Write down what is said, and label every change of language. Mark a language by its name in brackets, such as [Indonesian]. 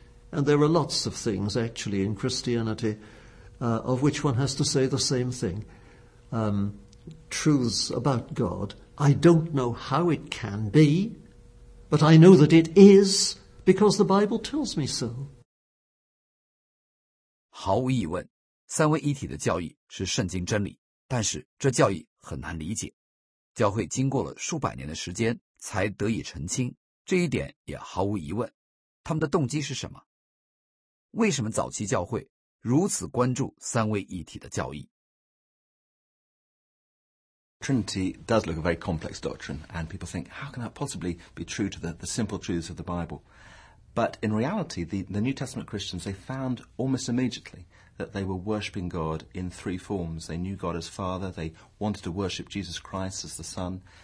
[English] And there are lots of things, actually, in Christianity of which one has to say the same thing. Truths about God. I don't know how it can be, but I know that it is because the Bible tells me so. [Chinese] 毫无疑问，三位一体的教义是圣经真理，但是这教义很难理解。教会经过了数百年的时间才得以澄清，这一点也毫无疑问。他们的动机是什么？为什么早期教会如此关注三位一体的教义？ [English] Trinity does look a very complex doctrine, and people think, how can that possibly be true to the simple truths of the Bible? But in reality, the New Testament Christians, they found almost immediately that they were worshipping God in three forms. They knew God as Father, they wanted to worship Jesus Christ as the Son,